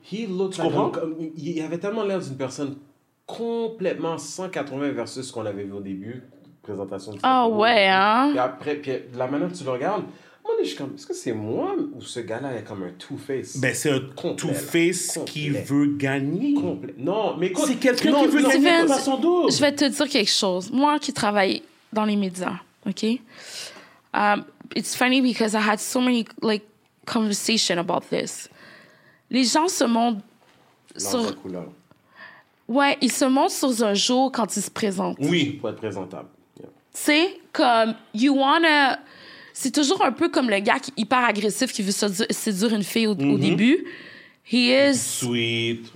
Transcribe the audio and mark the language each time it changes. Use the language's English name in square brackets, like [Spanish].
[French] Il avait tellement l'air d'une personne complètement 180 versus ce qu'on avait vu au début, présentation. Ah ouais, hein? Et après, puis la manière que tu le regardes, moi, je suis comme, est-ce que c'est moi ou ce gars-là est comme un two-face? Ben, c'est un complet, two-face complet. Qui veut gagner. Complet. Non, mais écoute... C'est quelqu'un qui veut gagner de façon double. Je vais te dire quelque chose. Moi qui travaille dans les médias, OK? [English] It's funny because I had so many like conversation about this. [French] Les gens se montrent sur la couleur. Ouais, ils se montrent sur un jour quand ils se présentent. Oui, pour être présentable. Yeah. C'est comme [English] you wanna. [French] C'est toujours un peu comme le gars qui est hyper agressif qui veut séduire une fille au début. [English] He is sweet.